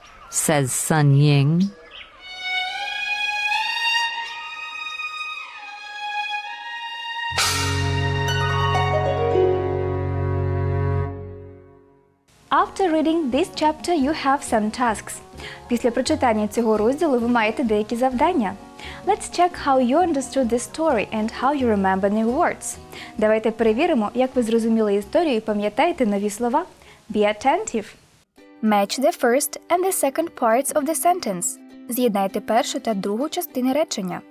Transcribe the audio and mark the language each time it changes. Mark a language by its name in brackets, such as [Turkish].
[English] says Sun Ying. After reading this chapter, you have some tasks. [Ukrainian] Після прочитання цього розділу ви маєте деякі завдання. [English] Let's check how you understood this story and how you remember new words. [Ukrainian] Давайте перевіримо, як ви зрозуміли історію і пам'ятаєте нові слова. [English] Be attentive. Match the first and the second parts of the sentence. [Ukrainian] З'єднайте першу та другу частини речення.